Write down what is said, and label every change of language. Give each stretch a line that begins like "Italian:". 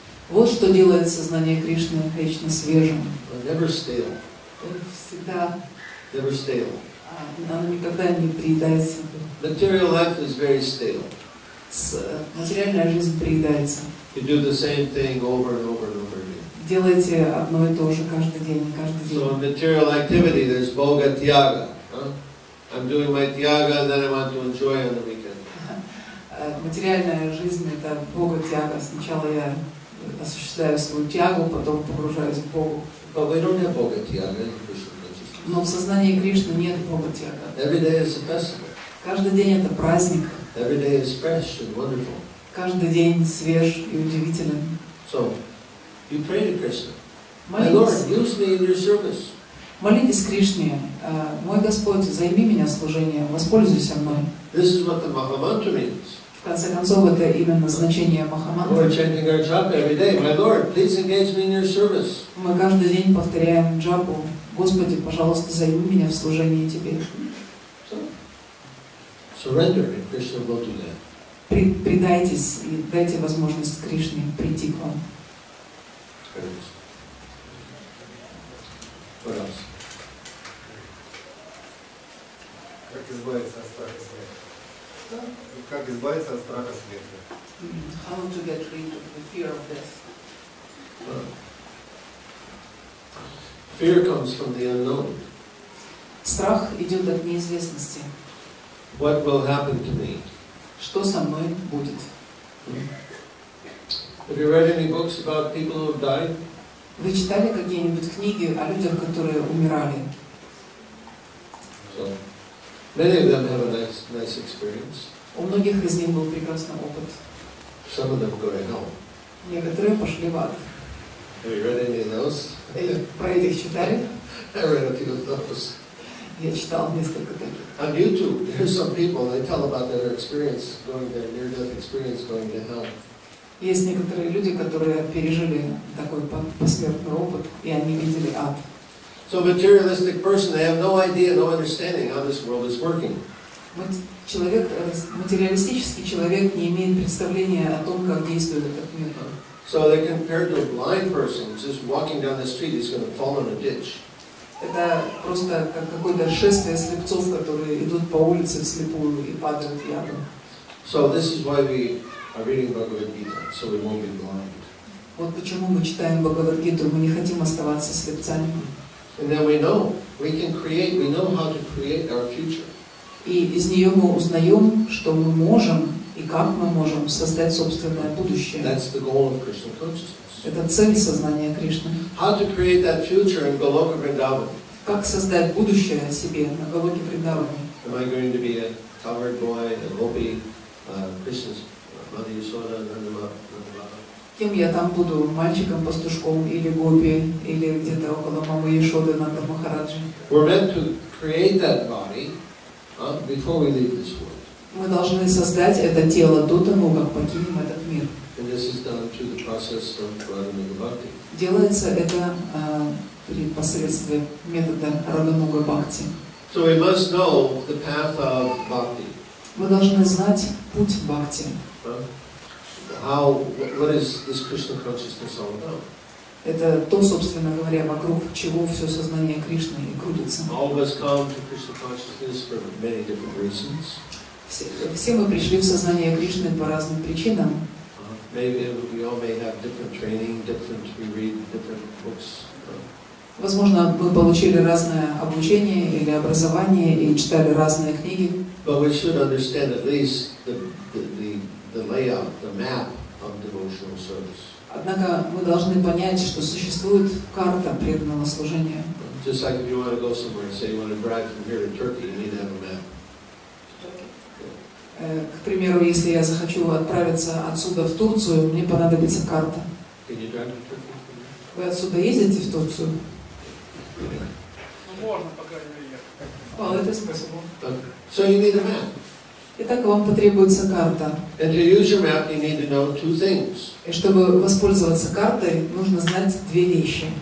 Russian: Вот что делает сознание Кришны вечно свежим.
English: Never stale.
Russian: Всегда.
English: Never stale.
Russian: Оно никогда не приедается.
English: Material life is very stale.
Russian: Материальная жизнь приедается.
English: You do the same thing over and over and over again.
Russian: Делайте одно и то же каждый день, каждый день.
English: So in material activity there's bhoga tyaga. I'm doing my tyaga, then I want to enjoy on the weekend.
Russian: Материальная жизнь — это бога тяга. Сначала я осуществляю свою тягу, потом погружаюсь в Богу.
English: But we don't have bhoga tyaga in Krishna consciousness.
Russian: Но в сознании Кришны нет бога тяга.
English: Every day is a festival.
Russian: Каждый день — это праздник.
English: Every day is fresh and wonderful.
Russian: Каждый день свеж и удивителен.
English: So, you pray to Krishna. My Lord, use me in your service.
Russian: Молитесь Кришне, мой Господь, займи меня служением, воспользуйся мной.
English: This is what the Mahamantra means.
Russian: В конце концов, это именно значение Mahamantra.
English: We're chanting our japa every day. My Lord, please engage me in your service.
Russian: Мы каждый день повторяем джапу. Господи, пожалуйста, займи меня в служении Тебе.
English: So, surrender and Krishna will do that.
Russian: Предайтесь и дайте возможность Кришне прийти к вам. Как избавиться от страха смерти? Как избавиться от страха смерти?
English: How to get rid of the fear of death? Fear comes from the unknown.
Russian: Страх идет от неизвестности.
English: What will happen to me?
Russian: Что со мной будет?
English: Have you read any books about people who have died?
Russian: Вы читали какие-нибудь книги о людях, которые умирали?
English: So, many of them have a nice experience.
Russian: У многих из них был прекрасный опыт.
English: Some of them go to hell.
Russian: Некоторые пошли в ад.
English: Have you read any of those?
Russian: Про этих читали?
English: I read a few of those.
Russian: Я читал несколько таких.
English: On YouTube, there's some people, they tell about their experience, going their near-death experience, going to hell.
Russian: Есть некоторые люди, которые пережили такой посмертный опыт, и они видели ад.
English: So materialistic person, they have no idea, no understanding how this world is working.
Russian: Материалистический человек не имеет представления о том, как действует этот мир.
English: So they compared to a blind person just walking down the street, he's going to fall in a ditch.
Russian: Это просто как какое-то шествие слепцов, которые идут по улице вслепую и падают в яму.
English: So this is why we are reading Bhagavad Gita, so we won't be blind.
Russian: Вот почему мы читаем Бхагавад-гиту, мы не хотим оставаться слепцами.
English: And then we know, we can create, we know how to create our future.
Russian: И из нее мы узнаем, что мы можем и как мы можем создать собственное будущее.
English: That's the goal of Krishna consciousness.
Russian: Это цель сознания Кришны.
English: How to create that future in Goloka Vrindavan?
Russian: Как создать будущее себе на Голоке Вриндаване?
English: Am I going to be a covered boy, a gopi, Krishna's mother Yasoda, Nandamata?
Russian: Кем я там буду? Мальчиком, пастушком или гопи, или где-то около мамы Яшоды Нанда Махараджи?
English: We're meant to create that body. Before we leave this world.
Russian: Мы должны создать это тело до того, как покинем этот мир.
English: And this is done through the process of Радхамуга Бхакти.
Russian: Делается это при посредстве метода Радхамуга Бхакти.
English: So we must know the path of Bhakti.
Russian: Мы должны знать путь Бхакти.
English: What is this Krishna consciousness all about?
Russian: Это то, собственно говоря, вокруг чего все сознание Кришны и крутится.
English: All of us come to Krishna consciousness for many different reasons.
Russian: Все мы пришли в сознание Кришны по разным причинам.
English: Maybe we all may have different training, different we read different books.
Russian: Возможно, мы получили разное обучение или образование и читали разные книги.
English: But we should understand at least the layout, the map of devotional service.
Russian: Однако мы должны понять, что существует карта преданного служения.
English: Just like if you want to go somewhere and say you want to drive from here to Turkey, you need to have a map.
Russian: К примеру, если я захочу отправиться отсюда в Турцию, мне понадобится карта.
English: Can you drive to Turkey?
Russian: Вы отсюда ездите в Турцию? Можно, по крайней мере. Well, это способно.
English: So you need a map.
Russian: Итак, вам потребуется карта.
English: And to use your map, you need to know two things.
Russian: И чтобы воспользоваться картой, нужно знать две вещи.